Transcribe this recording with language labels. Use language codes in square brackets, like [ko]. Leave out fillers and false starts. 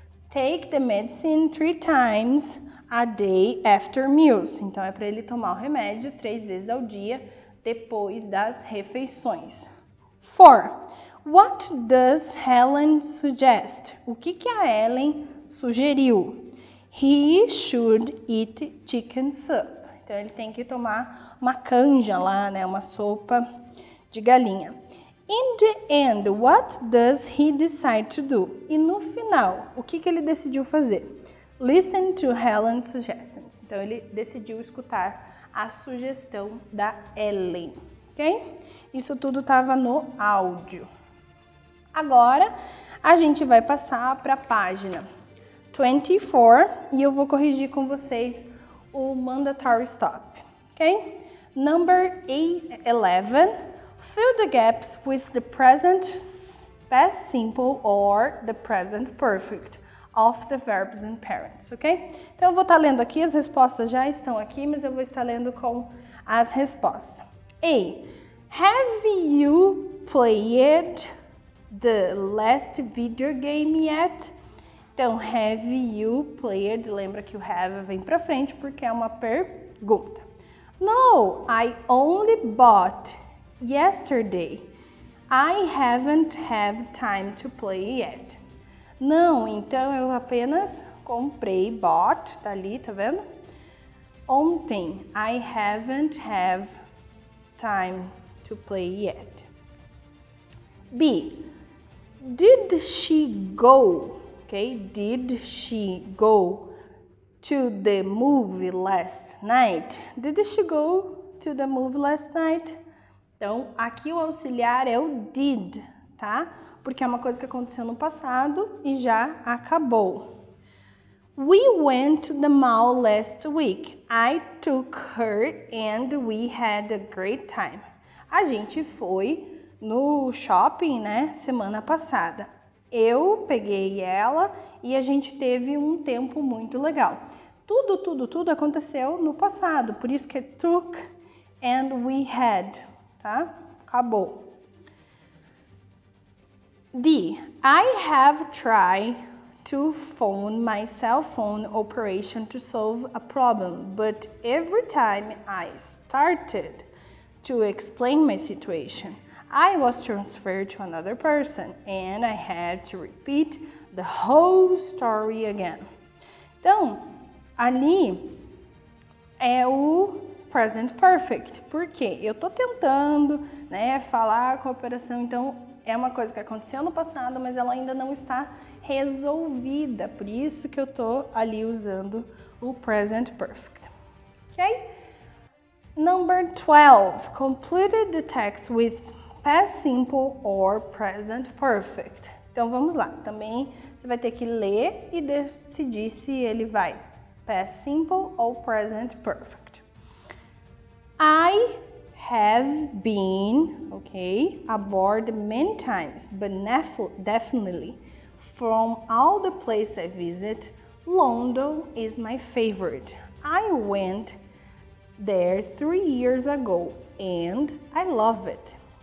[en] Take the medicine 3 times a day after meals. [pt] Então é para ele tomar o remédio 3 vezes ao dia depois das refeições. [en] 4. What does Helen suggest? [pt] O que a Helen sugeriu? [en] He should eat chicken soup. [pt] Então ele tem que tomar uma canja lá, né? Uma sopa de galinha. [en] In the end, what does he decide to do? [pt] E no final, o que ele decidiu fazer? [en] Listen to Helen's suggestions. [pt] Então ele decidiu escutar a sugestão da Ellen. Ok? Isso tudo estava no áudio. Agora a gente vai passar para a página 24, e eu vou corrigir com vocês o mandatory stop, ok? [en] Number 11, fill the gaps with the present past simple or the present perfect of the verbs and parents, ok? [pt] Então eu vou estar lendo aqui, as respostas já estão aqui, mas eu vou estar lendo com as respostas. [en] A, have you played the last video game yet? Então, have you played? [pt] Lembra que o have vem pra frente porque é uma pergunta. [en] No, I only bought yesterday. I haven't had time to play yet. [pt] Não, então eu apenas comprei, bought, tá ali, tá vendo? Ontem, [en] I haven't had time to play yet. B, did she go? Okay. Did she go to the movie last night? Did she go to the movie last night? [pt] Então, aqui o auxiliar é o did, tá? Porque é uma coisa que aconteceu no passado e já acabou. [en] We went to the mall last week. I took her and we had a great time. [pt] A gente foi no shopping, né, semana passada. Eu peguei ela e a gente teve um tempo muito legal. Tudo aconteceu no passado, por isso que é [en] took and we had, [pt] tá? Acabou. [en] D. I have tried to phone my cell phone operation to solve a problem, but every time I started to explain my situation, I was transferred to another person and I had to repeat the whole story again. [pt] Então, ali é o present perfect. Por quê? Eu tô tentando, né, falar com a operação, então é uma coisa que aconteceu no passado, mas ela ainda não está resolvida. Por isso que eu tô ali usando o present perfect. [en] Ok? Number 12. Completed the text with past simple or present perfect. [pt] Então vamos lá. Também você vai ter que ler e decidir se ele vai past simple ou present perfect. [en] I have been, okay, aboard many times, but definitely from all the places I visit, London is my favorite. I went there 3 years ago and I love it.